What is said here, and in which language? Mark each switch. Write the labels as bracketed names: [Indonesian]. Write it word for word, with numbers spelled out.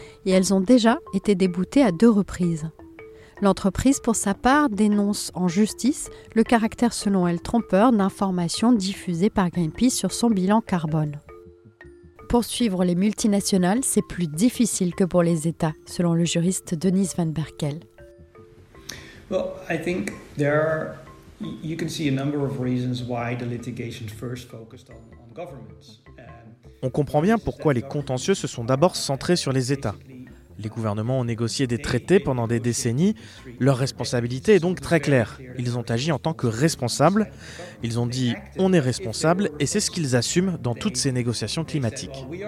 [French] Et elles ont déjà été déboutées à deux reprises. L'entreprise, pour sa part, dénonce en justice le caractère selon elle trompeur d'informations diffusées par Greenpeace sur son bilan carbone. Poursuivre les multinationales, c'est plus difficile que pour les États, selon le juriste Denise Van Berkel. [English] Well, I think there are... You can see a number of reasons why the litigation first focused on, on governments. [French] On comprend bien pourquoi les contentieux se sont d'abord centrés sur les États. Les gouvernements ont négocié des traités pendant des décennies. Leur responsabilité est donc très claire. Ils ont agi en tant que responsables. Ils ont dit « on est responsable » et c'est ce qu'ils assument dans toutes ces négociations climatiques.